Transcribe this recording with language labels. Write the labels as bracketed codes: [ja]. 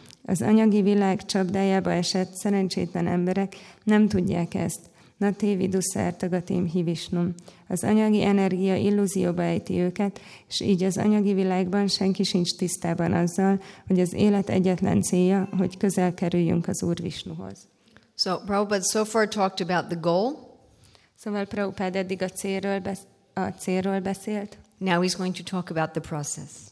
[hu] Az anyagi világ csapdájába esett szerencsétlen emberek nem tudják ezt. [sa] Na tévi duszártagatim hivisnum. [hu] Az anyagi energia illúzióba ejti őket, és így az anyagi világban senki sincs tisztában azzal, hogy az élet egyetlen célja, hogy közel kerüljünk az Úr Visnuhoz. [en] So Prabhupada so far talked about the goal. [hu] Szóval Prabhupada eddig a célról beszélt. [en] Now he's going to talk about the process.